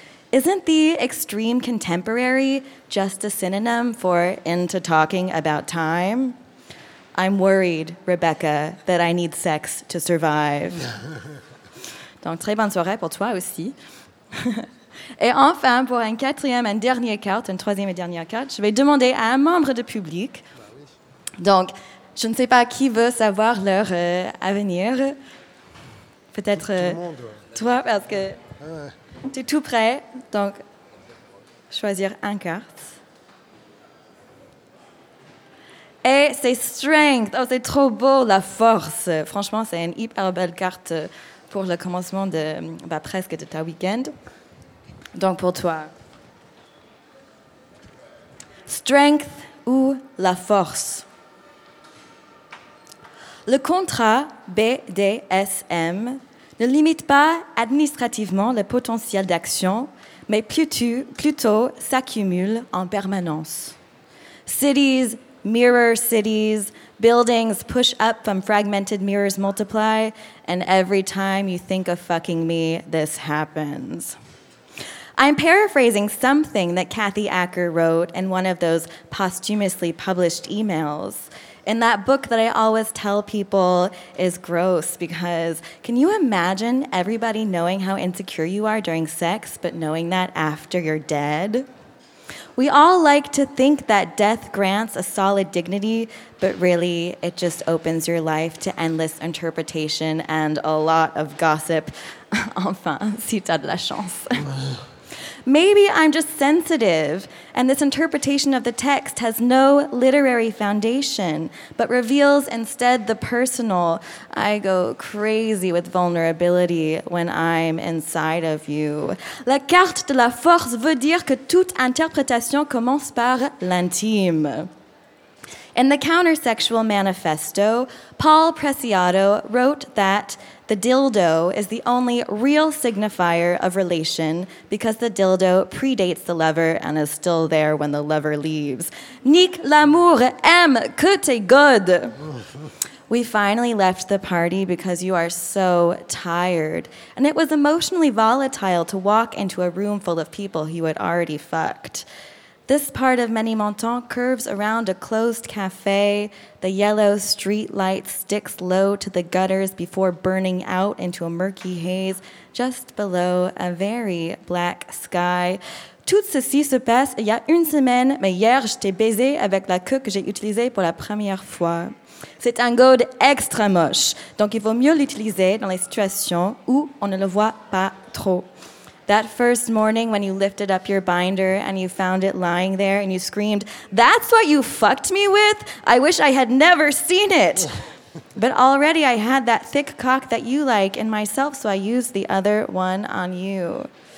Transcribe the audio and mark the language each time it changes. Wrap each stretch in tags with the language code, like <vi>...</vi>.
<en>Isn't the extreme contemporary just a synonym for into talking about time? I'm worried, Rebecca, that I need sex to survive.</en> <fr>Donc, très bonne soirée pour toi aussi. Et enfin, pour une troisième et dernière carte, je vais demander à un membre du public. Donc, je ne sais pas qui veut savoir leur avenir. Peut-être tout le monde. Toi, parce que tu es tout prêt. Donc, choisir une carte. Et c'est Strength. Oh, c'est trop beau, la force. Franchement, c'est une hyper belle carte pour le commencement de, bah, presque de ta week-end. Donc, pour toi, Strength ou la force? Le contrat BDSM ne limite pas administrativement le potentiel d'action, mais plutôt s'accumule en permanence.</fr> <en>Cities mirror cities, buildings push up from fragmented mirrors multiply, and every time you think of fucking me, this happens. I'm paraphrasing something that Kathy Acker wrote in one of those posthumously published emails. In that book that I always tell people is gross because can you imagine everybody knowing how insecure you are during sex, but knowing that after you're dead? We all like to think that death grants a solid dignity, but really it just opens your life to endless interpretation and a lot of gossip.</en> <fr>Enfin, si t'as de la chance.</fr> <en>Maybe I'm just sensitive, and this interpretation of the text has no literary foundation, but reveals instead the personal. I go crazy with vulnerability when I'm inside of you.</en> <fr>La carte de la force veut dire que toute interprétation commence par l'intime.</fr> <en>In the Countersexual Manifesto, Paul Preciado wrote that the dildo is the only real signifier of relation because the dildo predates the lover and is still there when the lover leaves.</en> <fr>Nique l'amour, aime que t'es</fr> <en>good. We finally left the party because you are so tired. And it was emotionally volatile to walk into a room full of people you had already fucked. This part of Ménilmontant curves around a closed cafe. The yellow street light sticks low to the gutters before burning out into a murky haze just below a very black sky.</en> <fr>Tout ceci se passe il y a une semaine, mais hier je t'ai baisé avec la queue que j'ai utilisée pour la première fois. C'est un gode extra moche, donc il vaut mieux l'utiliser dans les situations où on ne le voit pas trop.</fr> <en>that first morning when you lifted up your binder and you found it lying there and you screamed, "That's what you fucked me with? I wish I had never seen it." But already I had that thick cock that you like in myself, so I used the other one on you.</en>